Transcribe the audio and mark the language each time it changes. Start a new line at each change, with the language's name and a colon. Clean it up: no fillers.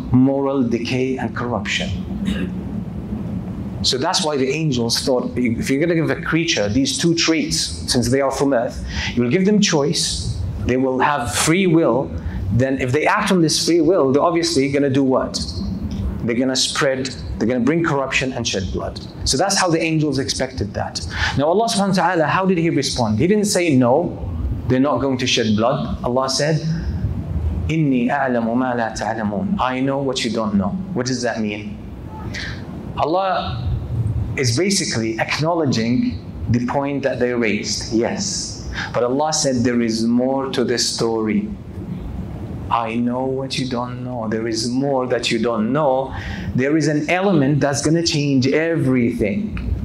English: Moral decay and corruption. So that's why the angels thought, if you're going to give a creature these two traits, since they are from earth, you will give them choice, they will have free will, then if they act on this free will, they're obviously going to do what? They're going to spread, they're going to bring corruption and shed blood. So that's how the angels expected that. Now Allah subhanahu wa ta'ala, how did He respond? He didn't say, no, they're not going to shed blood. Allah said,
Arabic: إِنِّي أَعْلَمُ مَا لَا تَعْلَمُونَ.
English: I know what you don't know. What does that mean? Allah is basically acknowledging the point that they raised, yes. But Allah said, there is more to this story. I know what you don't know. There is more that you don't know. There is an element that's going to change everything.